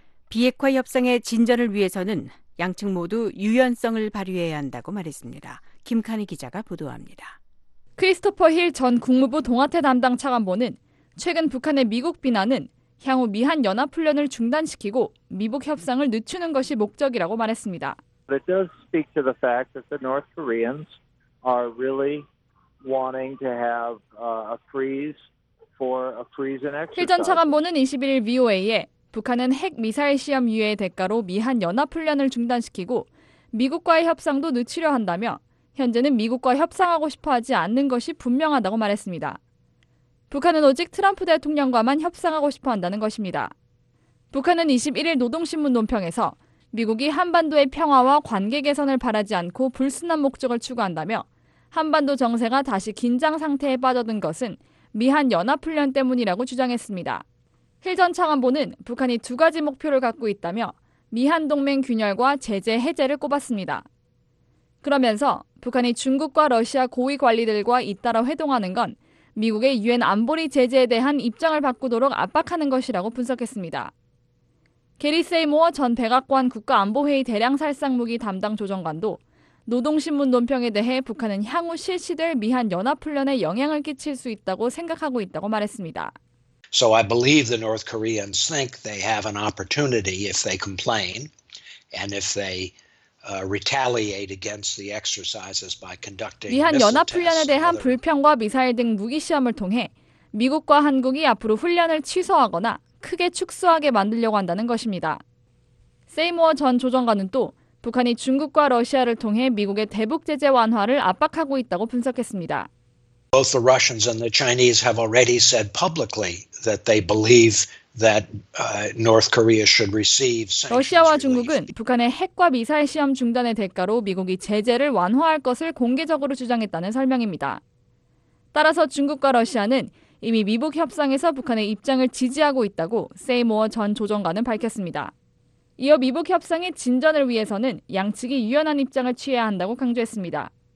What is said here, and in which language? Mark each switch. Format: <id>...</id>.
<ko>비핵화 협상의 진전을 위해서는 양측 모두 유연성을 발휘해야 한다고 말했습니다. 김카니 기자가 보도합니다. 크리스토퍼 힐 전 국무부 동아태 담당 차관보는 최근 북한의 미국 비난은 향후 미한 연합훈련을 중단시키고 미북 협상을 늦추는 것이 목적이라고 말했습니다.</ko> <en>It does speak to the fact that the North Koreans are really wanting to have a freeze for a freeze in exercise.</en> <ko>힐 전 차관보는 21일 VOA에 북한은 핵미사일 시험 유예의 대가로 미한 연합훈련을 중단시키고 미국과의 협상도 늦추려 한다며 현재는 미국과 협상하고 싶어 하지 않는 것이 분명하다고 말했습니다. 북한은 오직 트럼프 대통령과만 협상하고 싶어 한다는 것입니다. 북한은 21일 노동신문 논평에서 미국이 한반도의 평화와 관계 개선을 바라지 않고 불순한 목적을 추구한다며 한반도 정세가 다시 긴장 상태에 빠져든 것은 미한 연합훈련 때문이라고 주장했습니다. 힐 전 차관보는 북한이 두 가지 목표를 갖고 있다며 미한 동맹 균열과 제재 해제를 꼽았습니다. 그러면서 북한이 중국과 러시아 고위 관리들과 잇따라 회동하는 건 미국의 유엔 안보리 제재에 대한 입장을 바꾸도록 압박하는 것이라고 분석했습니다. 게리 세이모어 전 백악관 국가안보회의 대량살상무기 담당 조정관도 노동신문 논평에 대해 북한은 향후 실시될 미한 연합훈련에 영향을 끼칠 수 있다고 생각하고 있다고 말했습니다.</ko> <en>So I believe the North Koreans think they have an opportunity if they complain and if they retaliate against the exercises by conducting</en> <ko>미한 연합훈련에 대한 불평과 미사일 등 무기시험을 통해 미국과 한국이 앞으로 훈련을 취소하거나 크게 축소하게 만들려고 한다는 것입니다. 세이모어 전 조정관은 또 북한이 중국과 러시아를 통해 미국의 대북 제재 완화를 압박하고 있다고 분석했습니다.</ko> <en>Both the Russians and the Chinese have already said publicly that they believe that North Korea should receive sanctions.</en> <ko>러시아와 중국은 북한의 핵과 미사일 시험 중단의 대가로 미국이 제재를 완화할 것을 공개적으로 주장했다는 설명입니다. 따라서 중국과 러시아는 이미 미북 협상에서 북한의 입장을 지지하고 있다고 세이모어 전 조정관은 밝혔습니다. 이어 미북 협상의 진전을 위해서는 양측이 유연한 입장을 취해야 한다고 강조했습니다.</ko>